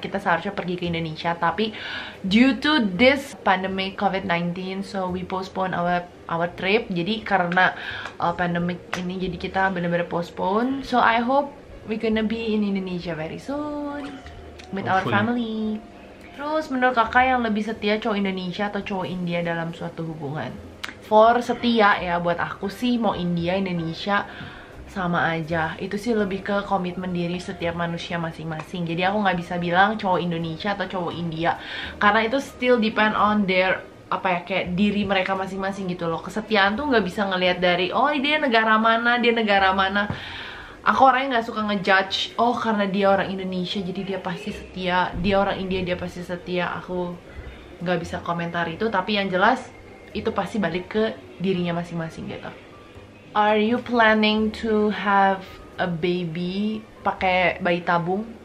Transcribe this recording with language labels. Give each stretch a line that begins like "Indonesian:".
Indonesian: Kita seharusnya pergi ke Indonesia, tapi
English: due to this pandemic COVID-19, so we postpone our trip.
Indonesian: Jadi karena pandemic ini, jadi kita benar-benar postpone.
English: So I hope we gonna be in Indonesia very soon with our family.
Indonesian: Terus menurut kakak, yang lebih setia cowok Indonesia atau cowok India dalam suatu hubungan? For setia ya, buat aku sih mau India, Indonesia sama aja. Itu sih lebih ke komitmen diri setiap manusia masing-masing. Jadi aku gak bisa bilang cowok Indonesia atau cowok India, karena itu
English: still depend on their,
Indonesian: apa ya, kayak diri mereka masing-masing gitu loh. Kesetiaan tuh gak bisa ngelihat dari, oh dia negara mana, dia negara mana. Aku orangnya gak suka ngejudge, oh karena dia orang Indonesia jadi dia pasti setia, dia orang India dia pasti setia. Aku gak bisa komentar itu, tapi yang jelas itu pasti balik ke dirinya masing-masing gitu.
English: Are you planning to have a baby
Indonesian: pakai bayi tabung?